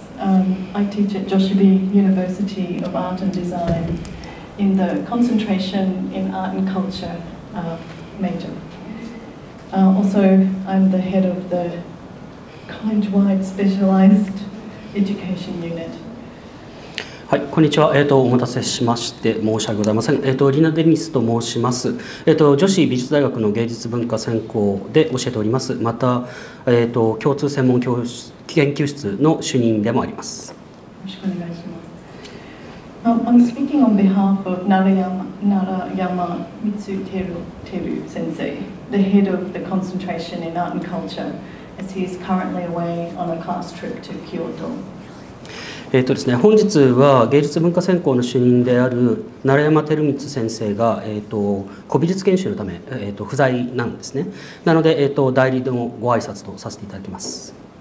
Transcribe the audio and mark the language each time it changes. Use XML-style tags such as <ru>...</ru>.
<en>I teach at Joshua University of Art and Design in the Concentration in Art and Culture major. Also, I'm the head of the College-wide Specialized Education Unit.</en> <ja>はい、こんにちは。お待たせしまして申し訳ございません。リナ・デニスと申します。女子美術大学の芸術文化専攻で教えております。また、共通専門教室研究室の主任でもあります。よろしくお願いします。</ja> <en>I'm speaking on behalf of Narayama Mitsuteru 先生、 the head of the concentration in art and culture, as he is currently away on a class trip to Kyoto.</en> <ja>ですね、本日は芸術文化専攻の主任である奈良山照光先生が、古美術研修のため、不在なんですね。なので、代理のご挨拶とさせていただきます。</ja>